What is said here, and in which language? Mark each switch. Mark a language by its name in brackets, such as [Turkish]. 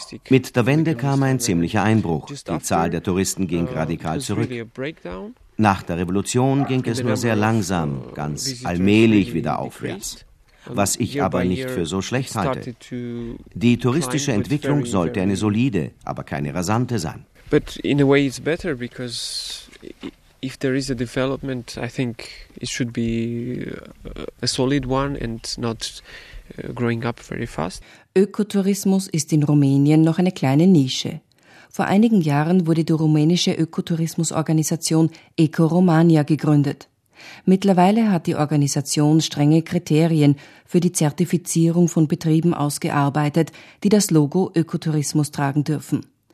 [German] Mit der Wende kam ein ziemlicher Einbruch. Die Zahl der Touristen ging radikal zurück. Nach der Revolution ging es nur sehr langsam, ganz allmählich wieder aufwärts. was ich aber nicht für so schlecht halte. Die touristische Entwicklung sollte eine solide, aber keine rasante sein. [English] But in a way it's better because if there is a development, I think it should be a solid one and not growing up very fast. [German] Ökotourismus ist in Rumänien noch eine kleine Nische. Vor einigen Jahren wurde die rumänische Ökotourismusorganisation Eco-Romania gegründet. Mittlerweile hat die Organisation strenge Kriterien für die Zertifizierung von Betrieben ausgearbeitet, die das Logo Ökotourismus tragen dürfen.